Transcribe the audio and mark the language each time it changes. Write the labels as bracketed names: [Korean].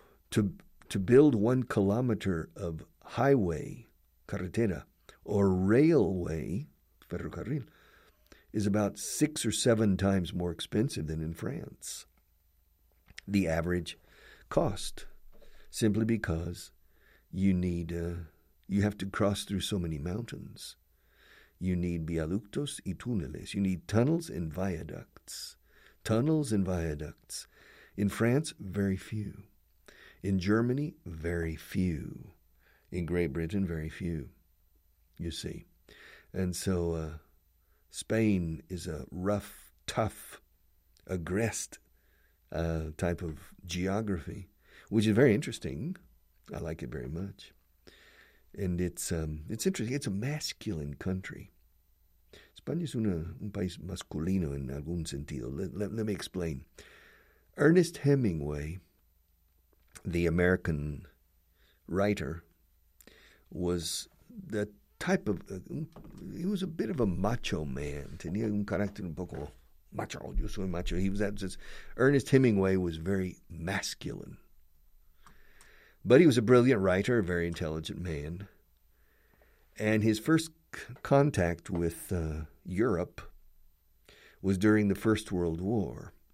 [English] To build 1 kilometer of highway, carretera, or railway, ferrocarril, is about 6 or 7 times more expensive than in France. The average cost, simply because you need you have to cross through so many mountains. You need [Spanish] viaductos y túneles. [English] You need tunnels and viaducts. Tunnels and viaducts. In France, very few. In Germany, very few. In Great Britain, very few, you see. And so Spain is a rough, tough, aggressed type of geography, which is very interesting. I like it very much. And it's interesting. It's a masculine country. [Spanish] España es un país masculino en algún sentido. [English] Let me explain. Ernest Hemingway, the American writer, was the type of... he was a bit of a macho man. [Spanish] Tenía un carácter un poco macho. Yo soy macho. [English] He was that. Ernest Hemingway was very masculine. But he was a brilliant writer, a very intelligent man. And his first contact with Europe was during the First World War.